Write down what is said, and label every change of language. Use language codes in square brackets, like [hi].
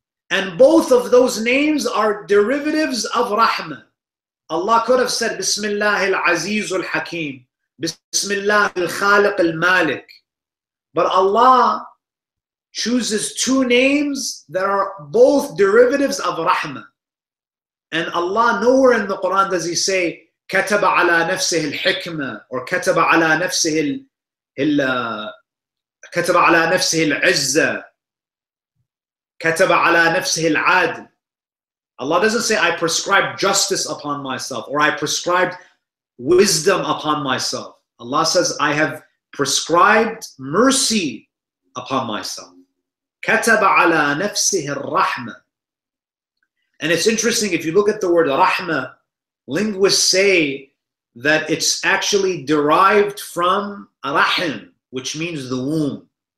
[en] And both of those names are derivatives of Rahman. Allah could have said, Bismillah al-Aziz al-Hakim. Bismillah al-Khaliq al-Malik. But Allah chooses two names that are both derivatives of Rahman. And Allah, nowhere in the Quran does He say, [ar] كَتَبَ عَلَى نَفْسِهِ الْحِكْمَةِ or كَتَبَ عَلَى نَفْسِهِ الْعِزَّةِ كَتَبَ عَلَى نَفْسِهِ الْعَادِ. [en] Allah doesn't say, I prescribed justice upon myself, or I prescribed wisdom upon myself. Allah says, I have prescribed mercy upon myself. [ar] كَتَبَ عَلَى نَفْسِهِ الرَّحْمَةِ. [en] And it's interesting, if you look at the word rahma, linguists say that it's actually derived from rahim, which means the womb.